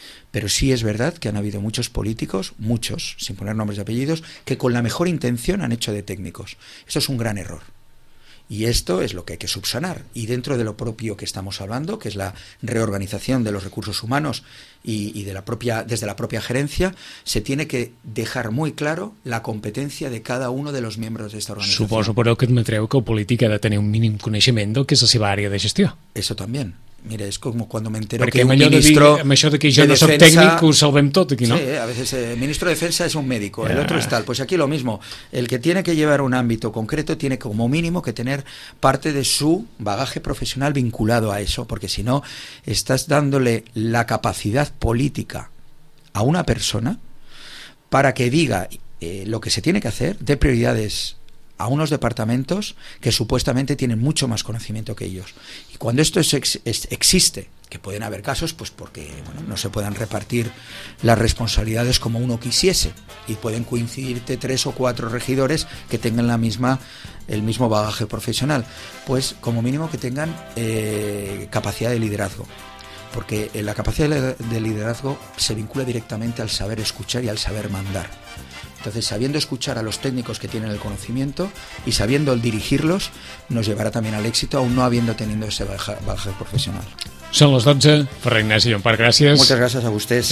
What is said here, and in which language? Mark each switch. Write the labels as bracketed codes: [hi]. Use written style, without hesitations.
[es] Pero sí es verdad que han habido muchos políticos, muchos, sin poner nombres y apellidos, que con la mejor intención han hecho de técnicos. Eso es un gran error. Y esto es lo que hay que subsanar. Y dentro de lo propio que estamos hablando, que es la reorganización de los recursos humanos y de la propia, desde la propia gerencia, se tiene que dejar muy claro la competencia de cada uno de los miembros de esta organización. [ca] Suposo, però, que admetreu que el polític ha de tenir un mínim coneixement del que és la seva àrea de gestió. [es] Eso también. Mira, es como cuando me entero [ca] perquè [es] que un ministro de defensa... [ca] Perquè amb això de que jo no soc tècnic, ho salvem tot aquí, no? [es] Sí, a veces el ministro de defensa es un médico, el otro es tal. Pues aquí lo mismo, el que tiene que llevar un ámbito concreto tiene como mínimo que tener parte de su bagaje profesional vinculado a eso, porque si no estás dándole la capacidad política a una persona para que diga lo que se tiene que hacer, dé prioridades a unos departamentos que supuestamente tienen mucho más conocimiento que ellos. Y cuando esto existe, que pueden haber casos, pues porque bueno, no se puedan repartir las responsabilidades como uno quisiese, y pueden coincidirte tres o cuatro regidores que tengan el mismo bagaje profesional, pues como mínimo que tengan capacidad de liderazgo. Porque la capacidad de liderazgo se vincula directamente al saber escuchar y al saber mandar. Entonces, sabiendo escuchar a los técnicos que tienen el conocimiento y sabiendo dirigirlos, nos llevará también al éxito, aún no habiendo tenido ese bagaje profesional. [ca] Són les 12. Ferran Ignasi Llompart, gràcies. Moltes gràcies a vostès.